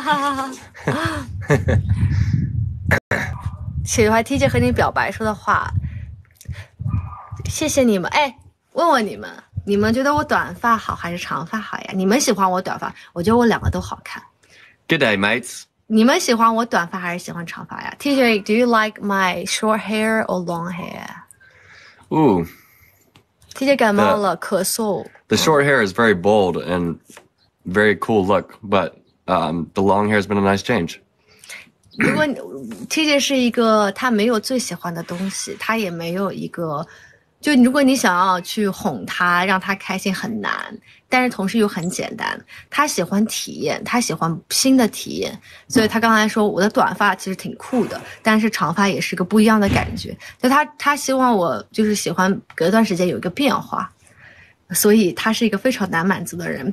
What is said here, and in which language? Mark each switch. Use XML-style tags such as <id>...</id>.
<zh>哈哈哈！喜欢 T 姐和你表白说的话，谢谢你们。哎，问问你们。你们觉得我短发好还是长发好呀？你们喜欢我短发，我觉得我两个都好看。</zh> <en>Good day, mates.</en> <zh>你们喜欢我短发还是喜欢长发呀 ？</zh> <en>TJ, do you like my short hair or long hair? Ooh.</en> <zh>TJ 感冒了，咳嗽。</zh> <en>The short hair is very bold and very cool look, but the long hair has been a nice change.</en> <zh>如果 TJ 是一个他没有最喜欢的东西，他也没有一个。就如果你想要去哄他让他开心很难，但是同时又很简单，他喜欢体验，他喜欢新的体验，所以他刚才说我的短发其实挺酷的，但是长发也是个不一样的感觉，就他希望我就是喜欢隔一段时间有一个变化，所以他是一个非常难满足的人。</zh>